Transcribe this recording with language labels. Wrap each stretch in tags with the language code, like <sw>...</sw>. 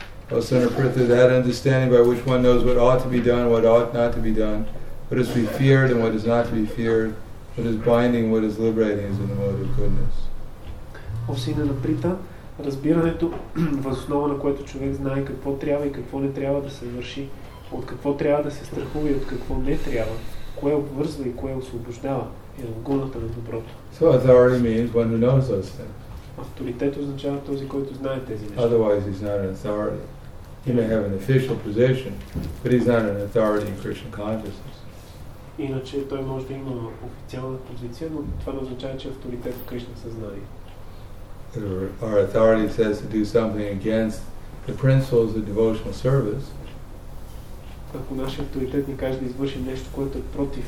<en>O Sena Pritha, that understanding by which one knows what ought to be done, what ought not to be done, what is to be feared and what is not to be feared, what is binding, what is liberating, is in the mode of goodness.</en> <bg>O Sena Pritha, разбирането, въз основа на което човек знае какво трябва и какво не трябва да се върши, от какво трябва да се страхува и от какво не трябва, кое обвързва и кое освобождава, е в гуната на доброто.</bg> <en>So authority means one who knows those things.</en> <bg>Авторитет означава този, който знае тези неща.</bg> <en>Otherwise he's not an authority. He may have an official position, but he's not an authority in Krishna consciousness.</en> <bg>Иначе той може да има официална позиция, но това не означава, че авторитет в Кришна съзнание.</bg> <en>Our authority says to do something against the principles of devotional service.</en> <bg>Ако нашия авторитет ни каже да извършим нещо, което е против,</bg>